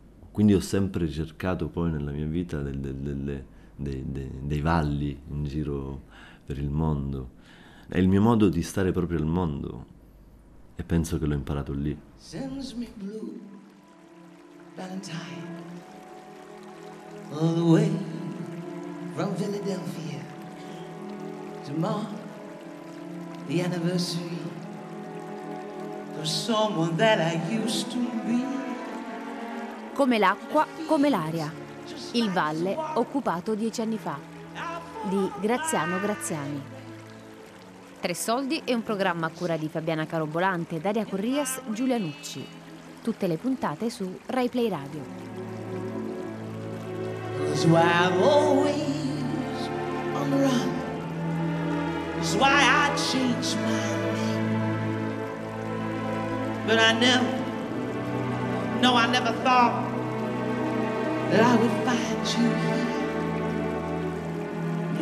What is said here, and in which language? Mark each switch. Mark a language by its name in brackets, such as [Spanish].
[Italian] Quindi ho sempre cercato poi nella mia vita dei valli in giro per il mondo. È il mio modo di stare proprio al mondo e penso che l'ho imparato lì. [English] Sends me blue, Valentine, all the way from Philadelphia, to mark the anniversary of someone that I used to be. [Italian] Come l'acqua, come l'aria. Il valle occupato 10 anni fa. Di Graziano Graziani. Tre soldi è un programma a cura di Fabiana Carobolante, Daria Corrias, Giulia Nucci. Tutte le puntate su Rai Play Radio. [English] That's why I'm always on the run. That's why I change my name. But I never, no, I never thought that I would find you here.